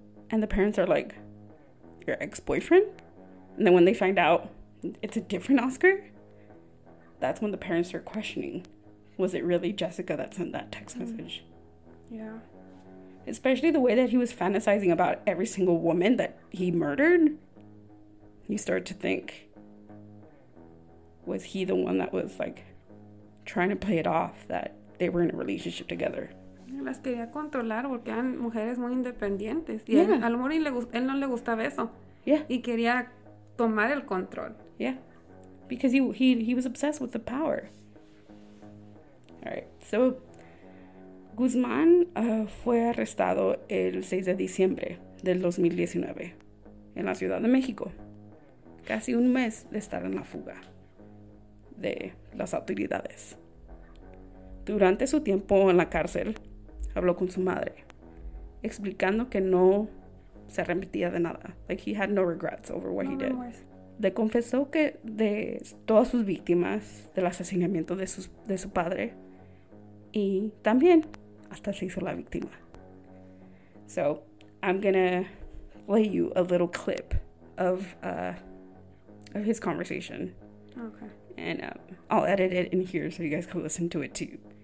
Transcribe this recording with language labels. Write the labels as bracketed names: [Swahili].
[English] And the parents are like, "Your ex-boyfriend?" And then when they find out it's a different Oscar, that's when the parents are questioning, was it really Jessica that sent that text message? Yeah. Especially the way that he was fantasizing about every single woman that he murdered. You start to think, was he the one that was like trying to play it off that they were in a relationship together? [Spanish] Las quería controlar porque eran mujeres muy independientes. Y yeah. A lo mejor él no le gustaba eso. [English] Yeah. [Spanish] Y quería tomar el control. [English] Yeah. Because he was obsessed with the power. Alright. [Spanish] So, Guzmán fue arrestado el 6 de diciembre del 2019 en la Ciudad de México. Casi un mes de estar en la fuga de las autoridades. Durante su tiempo en la cárcel, habló con su madre, explicando que no se arrepentía de nada. [English] Like, he had no regrets over what he did. [Spanish] Le confesó que de todas sus víctimas, del asesinamiento de su padre, y también hasta se hizo la víctima. [English] So, I'm gonna play you a little clip of his conversation. Okay. And I'll edit it in here so you guys can listen to it too.